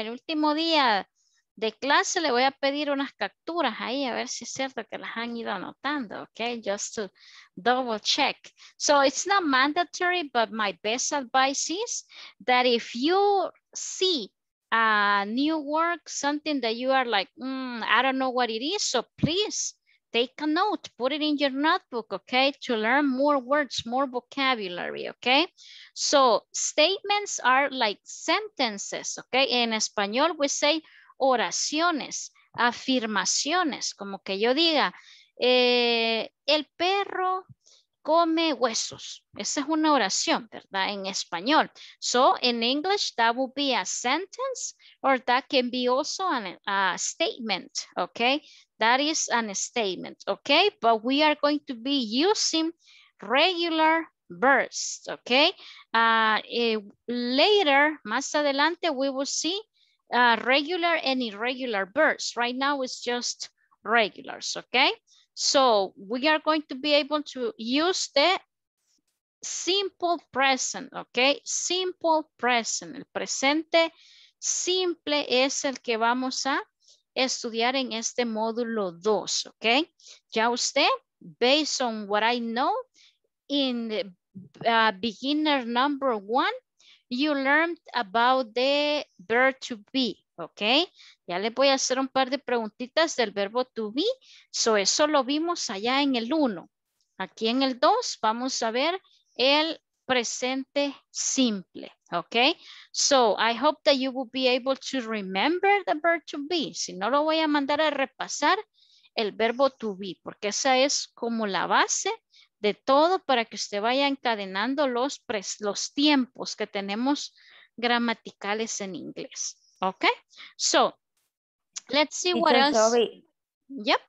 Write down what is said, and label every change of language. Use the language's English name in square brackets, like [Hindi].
[Spanish] El último día de clase le voy a pedir unas capturas ahí, a ver si es cierto que las han ido anotando, okay? [English] Just to double check. So it's not mandatory, but my best advice is that if you see a new word, something that you are like, I don't know what it is, so please take a note, put it in your notebook, okay? To learn more words, more vocabulary, okay? So statements are like sentences, okay? In Español we say [Spanish] oraciones, afirmaciones, como que yo diga, el perro come huesos. Esa es una oración, ¿verdad? En español. [English] So, in English, that would be a sentence, or that can be also a statement, okay? That is a statement, okay? But we are going to be using regular verbs, okay? Later, [Spanish] más adelante, [English] we will see regular and irregular verbs. Right now it's just regulars, okay? So we are going to be able to use the simple present, okay? [Spanish] Simple present, el presente simple es el que vamos a estudiar en este módulo 2, okay? Ya usted, [English] based on what I know, in beginner number 1, you learned about the verb to be, okay? [Spanish] Ya les voy a hacer un par de preguntitas del verbo to be. So eso lo vimos allá en el 1. Aquí en el 2 vamos a ver el presente simple, okay? [English] So I hope that you will be able to remember the verb to be. [Spanish] Si no, lo voy a mandar a repasar el verbo to be, porque esa es como la base de todo para que usted vaya encadenando los tiempos que tenemos gramaticales en inglés. [English] Okay, so let's see what else. Sorry. Yep.